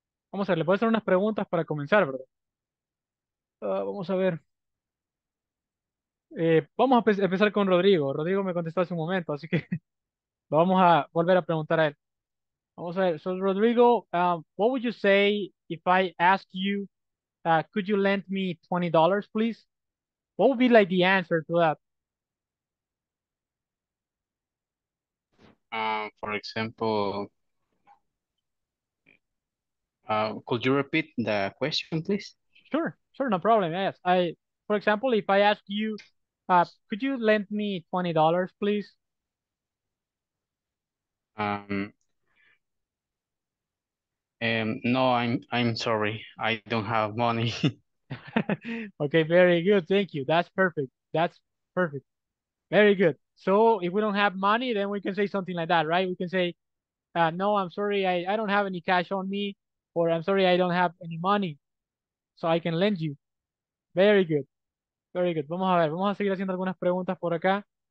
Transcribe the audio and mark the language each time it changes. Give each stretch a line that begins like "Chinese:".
Spanish: Vamos a ver, le puedo hacer unas preguntas para comenzar, ¿verdad? Vamos a ver. Vamos a empezar con Rodrigo. Rodrigo me contestó hace un momento, así que vamos a volver a preguntar a él. Vamos a ver.
English: So, Rodrigo, what would you say if I ask you, could you lend me $20, please? What would be like the answer to that? For example, could you repeat the question, please? Sure, sure, no problem. Yes, for example, if I ask you, could you lend me $20, please? No, I'm sorry. I don't have money. Okay, very good. Thank you. That's perfect. That's perfect. Very good. So if we don't have money, then we can say something like that, right? We can say, no, I'm sorry. I don't have any cash on me, or I'm sorry. I don't have any money, so I can lend you. Very good. Very good.
Spanish: Vamos a ver. Vamos a seguir haciendo algunas preguntas por acá.